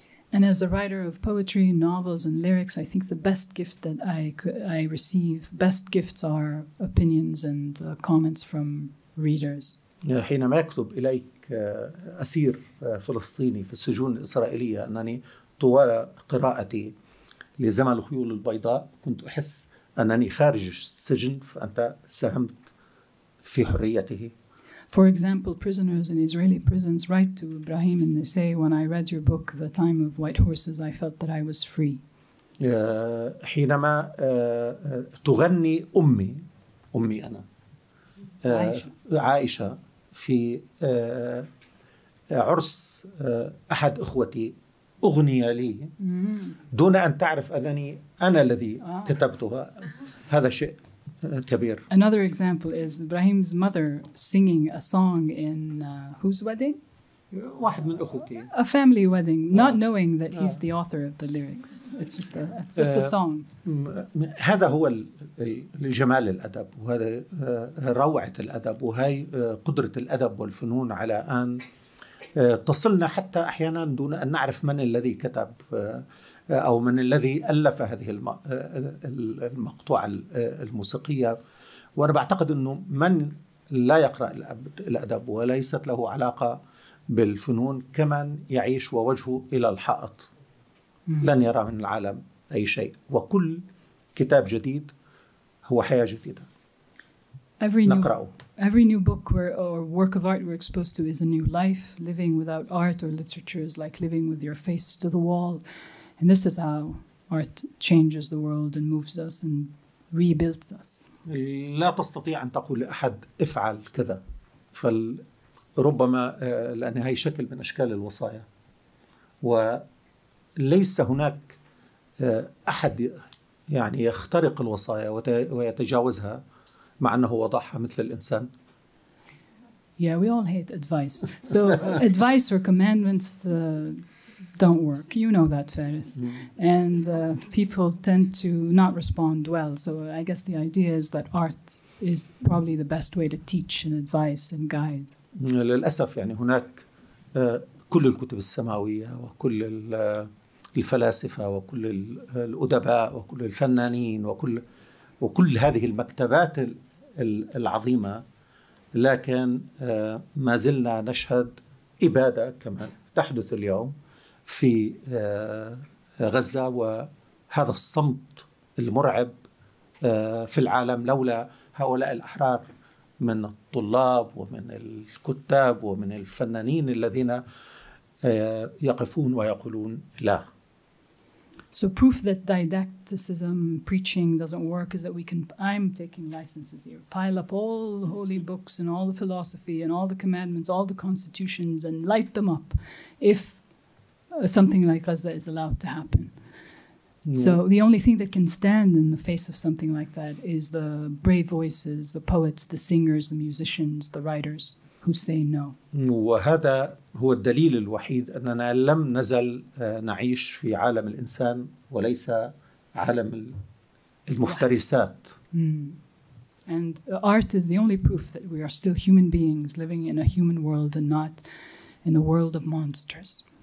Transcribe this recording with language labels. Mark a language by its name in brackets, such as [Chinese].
[English] And as a writer of poetry, novels, and lyrics, I think the best gift that I receive, best gifts are opinions and comments from readers. [Arabic] حينما يكتب إليك أسير فلسطيني في السجون الإسرائيلية أنني طوال قراءتي لزمن الخيول البيضاء كنت أحس أنني خارج السجن فأنت ساهمت في حريته. [English] For example, prisoners in Israeli prisons write to Ibrahim and they say, when I read your book, The Time of White Horses, I felt that I was free. [Arabic] حينما تغني أمي أنا عائشة في عرس أحد إخوتي أغني لي دون أن تعرف أنني أنا الذي كتبتها هذا شيء كبير. [English] Another example is Ibrahim's mother singing a song in whose wedding? [Arabic] واحد من اخوتي. [English] A family wedding, not knowing that he's the author of the lyrics. It's just a, it's just a song. [Arabic] هذا هو الجمال الأدب وهذا روعة الأدب وهي قدرة الأدب والفنون على أن تصلنا حتى أحيانا دون أن نعرف من الذي كتب أو من الذي ألف هذه المقطوعة الموسيقية. وأنا بعتقد أنه من لا يقرأ الأدب وليست له علاقة بالفنون كمن يعيش ووجهه إلى الحائط لن يرى من العالم أي شيء. وكل كتاب جديد هو حياة جديدة نقرأه. [English] Every new book or work of art we're exposed to is a new life. Living without art or literature is like living with your face to the wall. And this is how art changes the world and moves us and rebuilds us. [Arabic] لا تستطيع أن تقول لأحد افعل كذا. فربما لأن هي شكل من أشكال الوصايا. وليس هناك أحد يعني يخترق الوصايا ويتجاوزها مع أنه وضعها مثل الإنسان. [English] Yeah, we all hate advice. So advice or commandments don't work. You know that, Faris. Mm. And people tend to not respond well. So I guess the idea is that art is probably the best way to teach and advise and guide. [Arabic] للأسف يعني هناك كل الكتب السماوية وكل الفلاسفة وكل الأدباء وكل الفنانين وكل هذه المكتبات العظيمة لكن ما زلنا نشهد إبادة كما تحدث اليوم في غزة وهذا الصمت المرعب في العالم لولا هؤلاء الأحرار من الطلاب ومن الكتاب ومن الفنانين الذين يقفون ويقولون لا. [English] So proof that didacticism preaching doesn't work is that we can, I'm taking licenses here, pile up all the holy books and all the philosophy and all the commandments, all the constitutions and light them up if something like Gaza is allowed to happen. Mm. So the only thing that can stand in the face of something like that is the brave voices, the poets, the singers, the musicians, the writers who say no. [Arabic] وهذا هو الدليل الوحيد أننا لم نزل نعيش في عالم الإنسان وليس عالم المفترسات. [English] And art is the only proof that we are still human beings living in a human world and not in a world of monsters.